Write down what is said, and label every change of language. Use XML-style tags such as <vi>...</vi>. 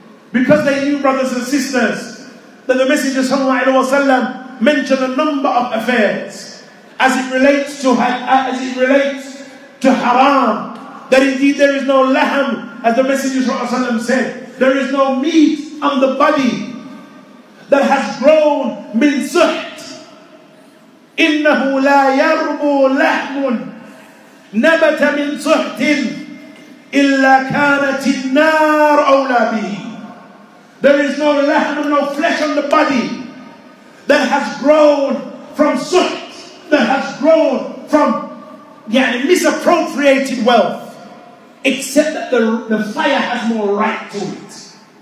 <en>Because they knew, brothers and sisters, that the Messenger sallallahu alaihi wasallam mentioned a number of affairs as it relates to haram. That indeed there is no laham, as the Messenger sallallahu alaihi wasallam said, there is no meat on the body that has grown min suht,</en> <ar>إنه لا يربو لحم نبت من سحت إلا كانت النار أولى به.</ar> <en>There is no lahm, no flesh on the body that has grown from suht, that has grown from misappropriated wealth, except that the fire has more right to it.</en>